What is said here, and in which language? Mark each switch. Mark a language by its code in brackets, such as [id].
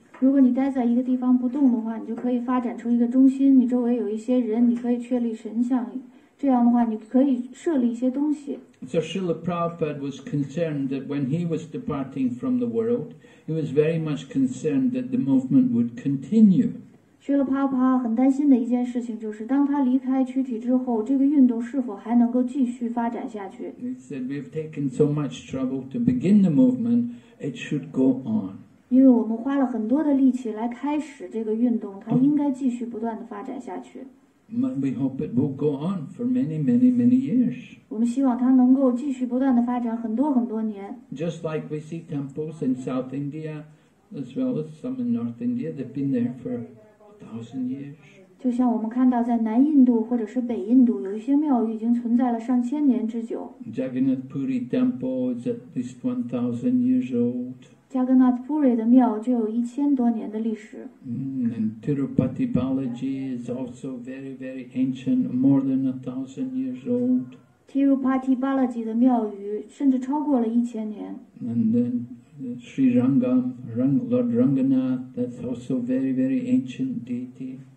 [zh] 如果你待在一个地方不动的话，你就可以发展出一个中心，你周围有一些人，你可以确立神像，这样的话你可以设立一些东西。 [en] So Srila Prabhupada was concerned that when he was departing from the world, he was very much concerned that the movement would continue. [zh] Srila Prabhupada 很担心的一件事情就是当他离开躯体之后，这个运动是否还能够继续发展下去。 [en] He said, we've taken so much trouble to begin the movement, it should go on. [zh] 因为我们花了很多的力气来开始这个运动，它应该继续不断地发展下去。 [en] We hope it will go on for many, many, many years. [zh] 我们希望它能够继续不断地发展很多很多年。 [en] Just like we see temples in South India, as well as some in North India, they've been there for 1,000 years. [zh] 就像我们看到在南印度或者是北印度，有一些庙宇已经存在了上千年之久。 [en] Jagannath Puri Temple is at least 1,000 years old. [zh] 加格纳斯普瑞的庙就有1000多年的历史。 [en] And Tirupati Balaji is also very, very ancient, more than 1,000 years old. [zh] Tirupati Balaji 的庙宇甚至超过了1000年。 [en] And then Sri Rangam, Lord Ranganath, that's also very, very ancient deity.